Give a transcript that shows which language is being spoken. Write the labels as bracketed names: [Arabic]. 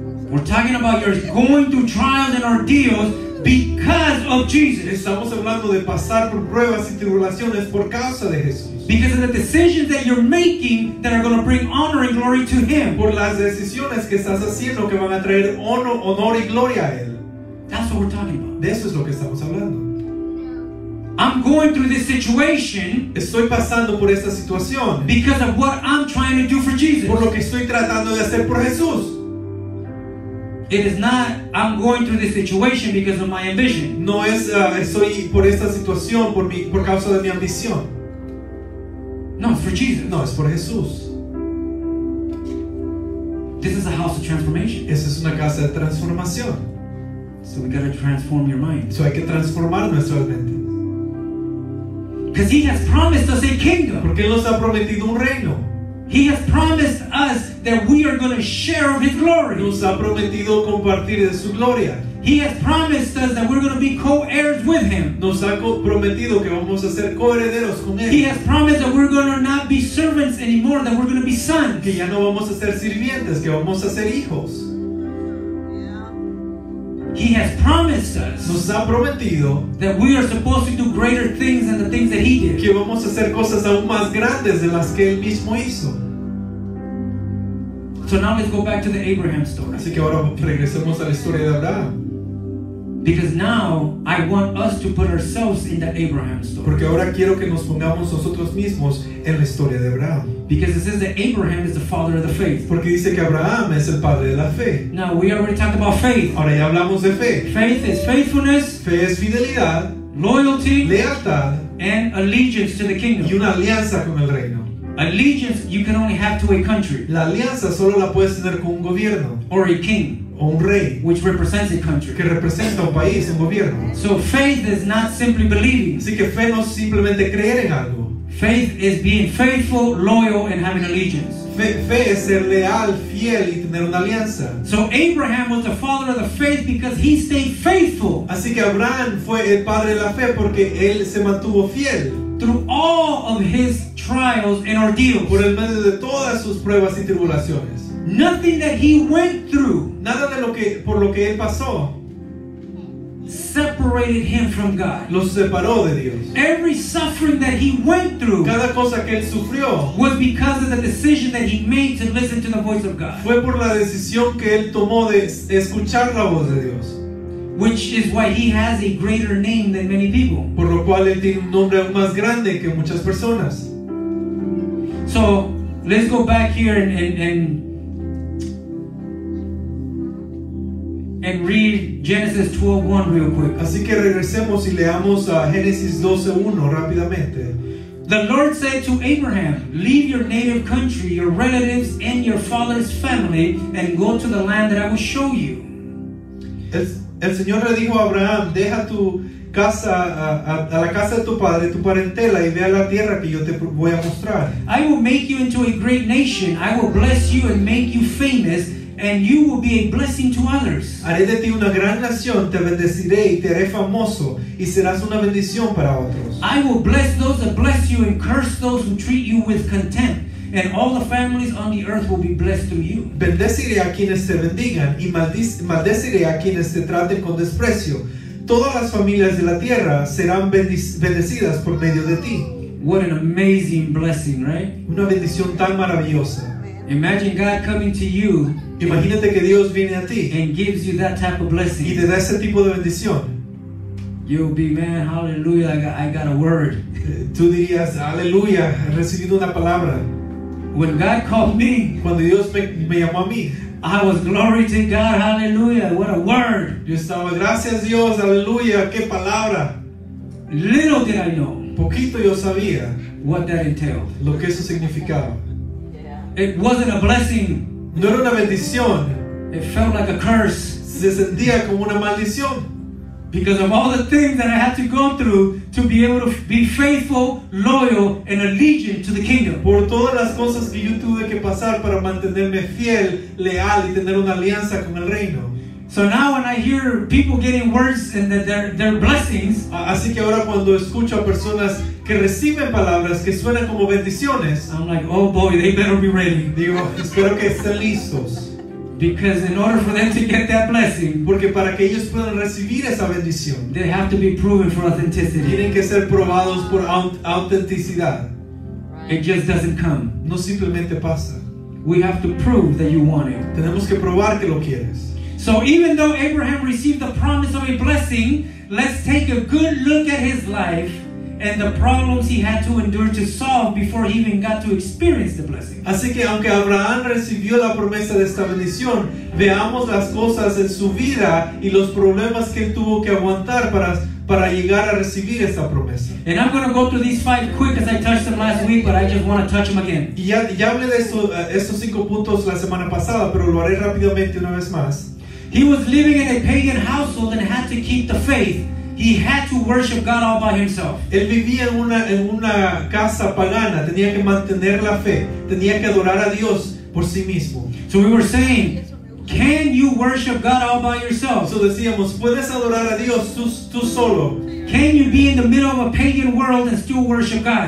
[English] We're talking about you're going through trials and ordeals because of Jesus. [Spanish] Estamos hablando de pasar por pruebas y tribulaciones por causa de Jesús. [English] Because of the decisions that you're making that are going to bring honor and glory to Him. [Spanish] Por las decisiones que estás haciendo que van a traer honor y gloria a Él. [English] That's what we're talking about. [Spanish] De eso es lo que estamos hablando. [English] I'm going through this situation. [Spanish] Estoy pasando por esta situación. [English] Because of what I'm trying to do for Jesus. [Spanish] Por lo que estoy tratando de hacer por Jesús. [English] It is not, I'm going through this situation because of my ambition. [Spanish] No es, estoy por esta situación por causa de mi ambición. [English] No, it's for Jesus. [Spanish] No, es por Jesús. [English] This is a house of transformation. [Spanish] Esta es una casa de transformación. [English] So we gotta transform your mind. [Spanish] So hay que transformar nuestras mentes. [English] Because He has promised us a kingdom. [Spanish] Porque Él nos ha prometido un reino. [English] He has promised us that we are gonna share of His glory. [Spanish] Nos ha prometido compartir de su gloria. [English] He has promised us that we're gonna be co-heirs with Him. [Spanish] Nos ha prometido que vamos a ser coherederos con Él. [English] He has promised that we're gonna not be servants anymore, that we're gonna be sons. [Spanish] Que ya no vamos a ser sirvientes, que vamos a ser hijos. [English] He has promised us, [Spanish] nos ha prometido, [English] that we are supposed to do greater things than the things that He did. [Spanish] Que vamos a hacer cosas aún más grandes de las que Él mismo hizo. [English] So now let's go back to the Abraham story. [Spanish] Así que ahora regresemos a la historia de Abraham. [English] Because now I want us to put ourselves in that Abraham story. [Spanish] Porque ahora quiero que nos pongamos nosotros mismos en la historia de Abraham. [English] Because it says that Abraham is the father of the faith. [Spanish] Porque dice que Abraham es el padre de la fe. [English] Now we already talked about faith. [Spanish] Ahora ya hablamos de fe. [English] Faith is faithfulness. [Spanish] Fe es fidelidad. [English] Loyalty. [Spanish] Lealtad. [English] And allegiance to the kingdom. [Spanish] Y una alianza con el reino. [English] Allegiance you can only have to a country. [Spanish] La alianza solo la puedes tener con un gobierno. [English] Or a king. [Spanish] O un rey, [English] which represents a country, [Spanish] que representa un país, un gobierno. [English] So faith is not simply believing. [Spanish] Así que fe no es simplemente creer en algo. [English] Faith is being faithful, loyal, and having allegiance. [Spanish] Fe es ser leal, fiel y tener una alianza. [English] So Abraham was the father of the faith because he stayed faithful. [Spanish] Así que Abraham fue el padre de la fe porque él se mantuvo fiel. [English] Through all of his trials and ordeals. [Spanish] Por el medio de todas sus pruebas y tribulaciones. [English] Nothing that he went through, [Spanish] nada de por lo que él pasó, [English] separated him from God. [Spanish] Lo separó de Dios. [English] Every suffering that he went through, [Spanish] cada cosa que él sufrió, [English] was because of the decision that he made to listen to the voice of God. [Spanish] Fue por la decisión que él tomó de escuchar la voz de Dios. [English] Which is why he has a greater name than many people. [Spanish] Por lo cual él tiene un nombre más grande que muchas personas. [English] So let's go back here and read Genesis 12:1 real quick. [Spanish] Así que regresemos y leamos a Génesis 12:1 rápidamente. [English] The Lord said to Abraham, leave your native country, your relatives, and your father's family, and go to the land that I will show you. [Spanish] El Señor le dijo a Abraham, deja tu casa, a la casa de tu padre, tu parentela, y ve a la tierra que yo te voy a mostrar. [English] I will make you into a great nation. I will bless you and make you famous. And you will be a blessing to others. [Spanish] Haré de ti una gran nación, te bendeciré y te haré famoso, y serás una bendición para otros. [English] I will bless those that bless you and curse those who treat you with contempt. And all the families on the earth will be blessed through you. [Spanish] Bendeciré a quienes te bendigan y maldeciré a quienes te traten con desprecio. Todas las familias de la tierra serán bendecidas por medio de ti. [English] What an amazing blessing, right? [Spanish] Una bendición tan maravillosa. [English] Imagine God coming to you. [Spanish] Imagínate que Dios viene a ti [English] and gives you that type of blessing. [Spanish] Y te da ese tipo de bendición. [English] You'll be, man, hallelujah, I got a word. [Spanish] Tú dirías, aleluya, he recibido una palabra. [English] When God called me, [Spanish] cuando Dios me llamó a mí, [English] I was glory to God, hallelujah, what a word. [Spanish] Yo estaba, gracias Dios, aleluya, qué palabra. [English] Little did I know. [Spanish] Poquito yo sabía. [English] What that entailed. [Spanish] Lo que eso significaba. [English] Yeah. It wasn't a blessing. [Spanish] No era una bendición. [English] It felt like a curse. [Spanish] Se sentía como una maldición. [English] Because of all the things that I had to go through to be able to be faithful, loyal, and allegiant to the kingdom. [Spanish] Por todas las cosas que yo tuve que pasar para mantenerme fiel, leal, y tener una alianza con el reino. [English] So now when I hear people getting words and that their blessings. [Spanish] Así que ahora cuando escucho a personas que reciben palabras que suenan como bendiciones. [English] I'm like, oh boy, they better be ready. [Spanish] Digo, espero que estén listos. [English] Because in order for them to get that blessing, [Spanish] porque para que ellos puedan recibir esa bendición, [English] they have to be proven for authenticity. [Spanish] Tienen que ser probados por autenticidad. [English] It just doesn't come. [Spanish] No simplemente pasa. [English] We have to prove that you want it. [Spanish] Tenemos que probar que lo quieres. [English] So even though Abraham received the promise of a blessing, let's take a good look at his life and the problems he had to endure to solve before he even got to experience the blessing. [Spanish] Así que aunque Abraham recibió la promesa de esta bendición, veamos las cosas en su vida y los problemas que él tuvo que aguantar para llegar a recibir esta promesa. [English] And I'm going to go through these five quick as I touched them last week, but I just want to touch them again. [Spanish] Y ya hablé de estos cinco puntos la semana pasada, pero lo haré rápidamente una vez más. [English] He was living in a pagan household and had to keep the faith. He had to worship God all by himself. [Spanish] Él vivía en una casa pagana. Tenía que mantener la fe. Tenía que adorar a Dios por sí mismo. [English] So we were saying, can you worship God all by yourself? [Spanish] So decíamos, ¿puedes adorar a Dios tú solo? [English] Can you be in the middle of a pagan world and still worship God?